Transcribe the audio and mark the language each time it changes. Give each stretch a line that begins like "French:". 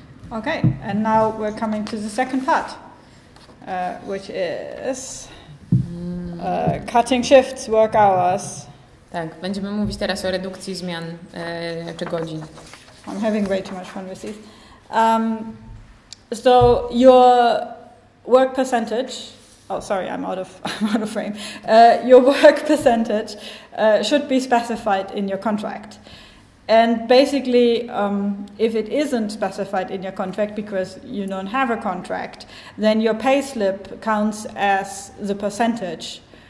English: Okay, and now we're coming to the second part, which is cutting shifts, work hours.
Polish: Tak, będziemy mówić teraz o redukcji zmian czy godzin.
English: I'm having way too much fun with these. So your work percentage, oh sorry, I'm out of frame. Your work percentage should be specified in your contract. And basically, if it isn't specified in your contract because you don't have a contract, then your payslip counts as the percentage.